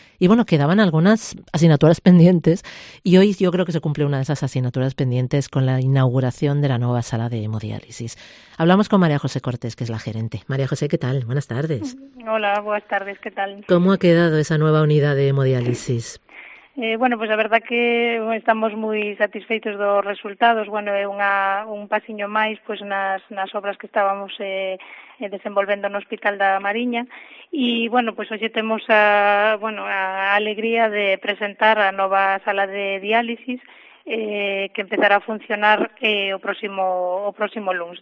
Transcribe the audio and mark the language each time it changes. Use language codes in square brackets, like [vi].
[es] Y bueno, quedaban algunas asignaturas pendientes y hoy yo creo que se cumple una de esas asignaturas pendientes con la inauguración de la nueva sala de hemodiálisis. Hablamos con María José Cortés, que es la gerente. María José, ¿qué tal? Buenas tardes. Hola, buenas tardes, ¿qué tal? ¿Cómo ha quedado esa nueva unidad de hemodiálisis? Bueno, pues la verdad que estamos muy [gl] satisfeitos dos resultados. Bueno, un pasiño máis, pues nas obras que estábamos desenvolvendo no Hospital da Mariña. E, bueno, pues hoxe temos a alegría de presentar a nova sala de diálisis que empezará a funcionar o próximo lunes.